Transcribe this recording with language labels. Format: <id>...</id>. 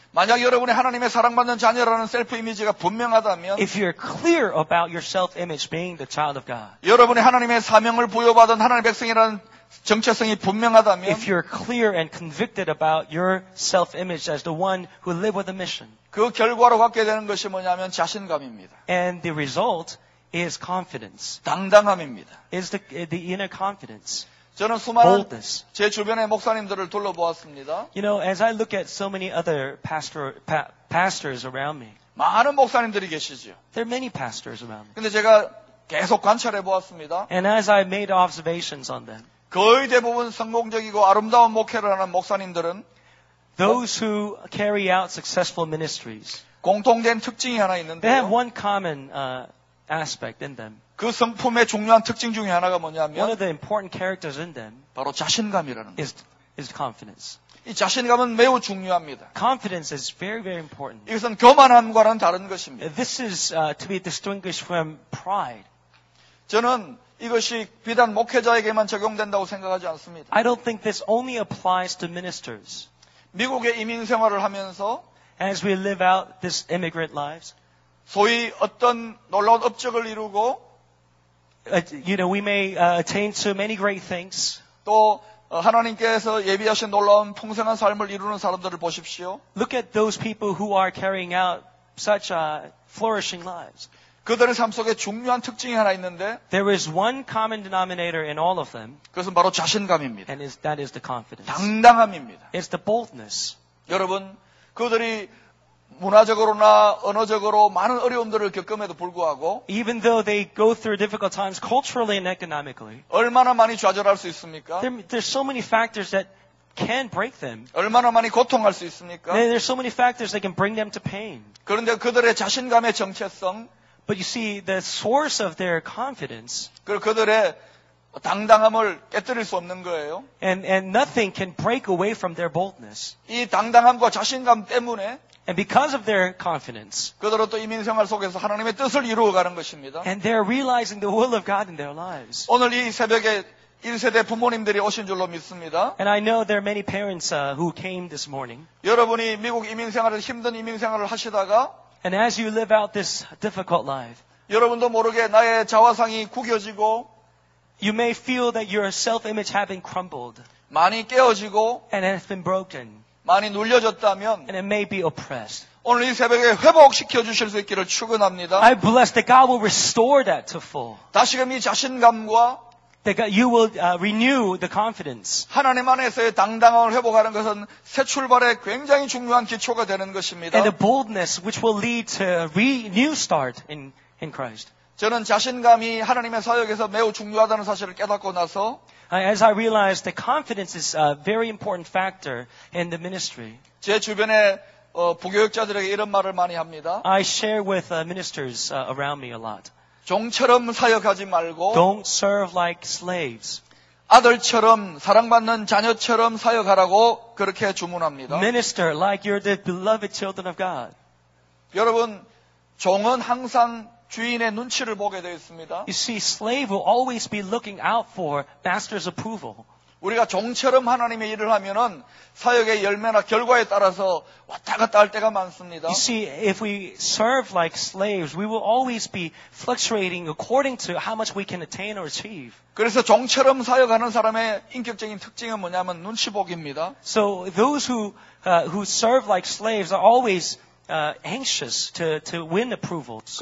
<ko>만약 여러분이 하나님의 사랑받는 자녀라는 셀프 이미지가 분명하다면</ko> <en>If you're clear about your self-image being the child of God.</en> <ko>여러분이 하나님의 사명을 부여받은 하나님의 백성이라는 정체성이 분명하다면</ko> <en>If you're clear and convicted about your self-image as the one who live with a mission.</en> <ko>그 결과로 갖게 되는 것이 뭐냐면 자신감입니다.</ko> <en>And the result is confidence.</en> <ko>당당함입니다.</ko> <en>Is the inner confidence.</en> <ko>저는 수많은 제 주변의 목사님들을 둘러보았습니다.</ko> <en>You know, as I look at so many other pastors around me.</en> <ko>많은 목사님들이 계시죠.</ko> <en>There are many pastors around me.</en> <ko>근데 제가 계속 관찰해 보았습니다.</ko> <en>And as I made observations on them.</en> <ko>거의 대부분 성공적이고 아름다운 목회를 하는 목사님들은</ko> <en>Those who carry out successful ministries.</en> <ko>공통된 특징이 하나 있는데요.</ko> <en>They have one common aspect in them.</en> <ko>그 성품의 중요한 특징 중에 하나가 뭐냐면</ko> <en>One of the important characters in them</en> <ko>바로 자신감이라는</ko> <en>is confidence.</en> <ko>이 자신감은 매우 중요합니다.</ko> <en>Confidence is very very important.</en> <ko>이것은 교만함과는 다른 것입니다.</ko> <en>This is to be distinguished from pride.</en> <ko>저는 이것이 비단 목회자에게만 적용된다고 생각하지 않습니다.</ko> <en>I don't think this only applies to ministers.</en> <ko>미국의 이민 생활을 하면서</ko> <en>as we live out this immigrant lives</en> <ko>소위 어떤 놀라운 업적을 이루고</ko> <en>you know we may attain to many great things</en> <ko>또 하나님께서 예비하신 놀라운 풍성한 삶을 이루는 사람들을 보십시오.</ko> <en>Look at those people who are carrying out such flourishing lives.</en> <ko>그들의 삶 속에 중요한 특징이 하나 있는데</ko> <en>There is one common denominator in all of them.</en> <ko>그것은 바로 자신감입니다.</ko> <en>And that is the confidence.</en> <ko>당당함입니다.</ko> <en>It's the boldness.</en> <ko>여러분, 그들이 문화적으로나 언어적으로 많은 어려움들을 겪음에도 불구하고</ko> <en>Even though they go through difficult times culturally and economically.</en> <ko>얼마나 많이 좌절할 수 있습니까?</ko> <en>There's so many factors that can break them.</en> <ko>얼마나 많이 고통할 수 있습니까?</ko> <en>There's so many factors that can bring them to pain.</en> <ko>그런데 그들의 자신감의 정체성</ko> <en>But you see, the source of their confidence</en> <ko>그리고 그들의 당당함을 깨뜨릴 수 없는 거예요.</ko> <en>And nothing can break away from their boldness.</en> <ko>이 당당함과 자신감 때문에</ko> <en>And because of their confidence</en> <ko>그들은 또 이민 생활 속에서 하나님의 뜻을 이루어가는 것입니다.</ko> <en>And they're realizing the will of God in their lives.</en> <ko>오늘 이 새벽에 1세대 부모님들이 오신 줄로 믿습니다.</ko> <en>And I know there are many parents who came this morning.</en> <ko>여러분이 미국 이민 생활을 힘든 이민 생활을 하시다가</ko> <en>And as you live out this difficult life,</en> <ko>여러분도 모르게 나의 자화상이 구겨지고,</ko> <en>you may feel that your self-image has been crumbled,</en> <ko>많이 깨어지고,</ko> <en>and it has been broken,</en> <ko>많이 눌려졌다면,</ko> <en>and it may be oppressed.</en> <ko>오늘 이 새벽에 회복시켜 주실 수 있기를 축원합니다.</ko> <en>I bless that God will restore that to full.</en> <ko>다시금 이 자신감과</ko> <en>That you will renew the confidence.</en> <ko>하나님 안에서의 당당함을 회복하는 것은 새 출발의 굉장히 중요한 기초가 되는 것입니다.</ko> <en>And the boldness which will lead to a new start in Christ.</en> <ko>저는 자신감이 하나님의 사역에서 매우 중요하다는 사실을 깨닫고 나서</ko> <en>As I realized that confidence is a very important factor in the ministry.</en> <ko>제 주변에 부교역자들에게 이런 말을 많이 합니다.</ko> <en>I share with ministers around me a lot.</en> <ko>종처럼 사역하지 말고</ko> <en>Don't serve like slaves.</en> <ko>아들처럼 사랑받는 자녀처럼 사역하라고 그렇게 주문합니다.</ko> <en>Minister like you're the beloved children of God.</en> <ko>여러분, 종은 항상 주인의 눈치를 보게 되어 있습니다.</ko> <en>You see, slave will always be looking out for master's approval.</en> <ko>우리가 종처럼 하나님의 일을 하면은 사역의 열매나 결과에 따라서 왔다 갔다 할 때가 많습니다.</ko> <en>You see, if we serve like slaves, we will always be fluctuating according to how much we can attain or achieve.</en> <ko>그래서 종처럼 사역하는 사람의 인격적인 특징은 뭐냐면 눈치 보기입니다.</ko> <en>So those who serve like slaves are always anxious to win approvals.</en>